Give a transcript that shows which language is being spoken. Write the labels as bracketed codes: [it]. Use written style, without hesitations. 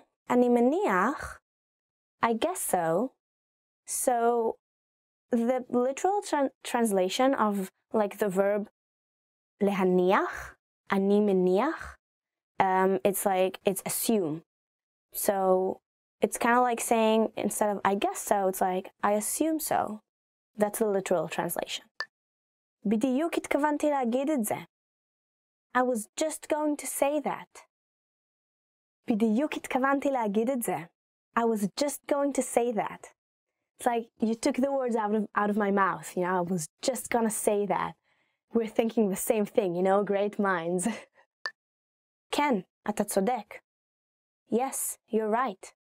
[he] אני מניח, [en] I guess so. So, the literal translation of, like, the verb להניח, אני מניח, it's like, it's assume. So, it's kind of like saying, instead of I guess so, it's like, I assume so. That's the literal translation. [he] בדיוק התכוונתי להגיד את זה. [en] I was just going to say that. [he] בדיוק התכוונתי להגיד את זה. [en] I was just going to say that. It's like, you took the words out of my mouth, you know, I was just gonna say that. We're thinking the same thing, you know, great minds. [he] כן, אתה צודק. [en] Yes, you're right.